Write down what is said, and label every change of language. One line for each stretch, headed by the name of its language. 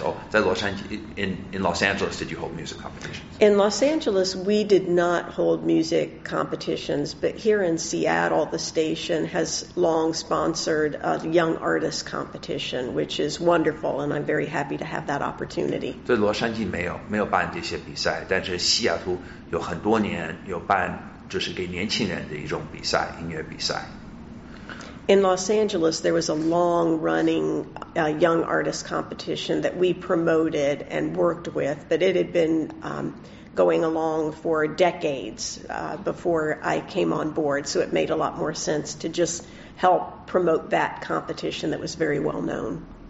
English: Oh,
Chinese: 在洛杉矶
English: in Los Angeles, did you hold music competitions? In Los Angeles, we did not hold music competitions, but here in Seattle, the station has long sponsored a young artist competition, which is wonderful, and I'm very happy to have that opportunity.
Chinese: 在洛杉矶没有办这些比赛，但是西雅图有很多年有办。就是给年轻人的一种比赛，音乐比赛。
English: In Los Angeles, there was a long-running, young artist competition that we promoted and worked with, but it had been, going along for decades, before I came on board, so it made a lot more sense to just help promote that competition that was very well known.